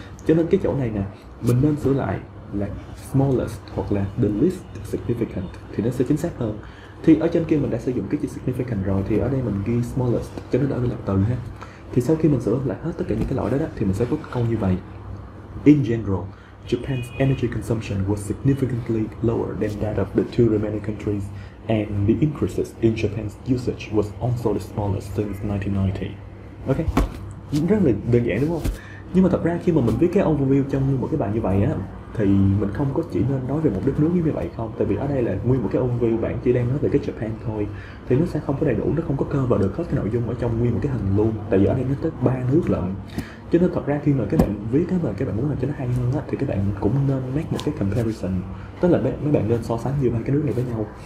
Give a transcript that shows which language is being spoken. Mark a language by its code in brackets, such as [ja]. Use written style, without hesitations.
[vi] Cho nên cái chỗ này nè, mình nên sửa lại là smallest hoặc là the least significant thì nó sẽ chính xác hơn. Thì ở trên kia mình đã sử dụng cái chữ significant rồi, thì ở đây mình ghi smallest cho nó đỡ bị lạc từ ha. Thì sau khi mình sửa lại hết tất cả những cái lỗi đó thì mình sẽ có câu như vậy. [en] In general, Japan's energy consumption was significantly lower than that of the two remaining countries, and the increases in Japan's usage was also the smallest since 1990. [vi] Okay, rất là đơn giản đúng không? Nhưng mà thật ra khi mà mình viết cái overview trong một cái bài như vậy á, thì mình không có chỉ nên nói về một đất nước như vậy không, tại vì ở đây là nguyên một cái overview, bạn chỉ đang nói về cái Japan thôi, thì nó sẽ không có đầy đủ, nó không có cover được hết cái nội dung ở trong nguyên một cái hình luôn, tại vì ở đây nó tới ba nước lận. Cho nên thật ra khi mà các bạn viết cái mà các bạn muốn làm cho nó hay hơn á, thì các bạn cũng nên make một cái comparison, tức là mấy bạn nên so sánh giữa ba cái nước này với nhau.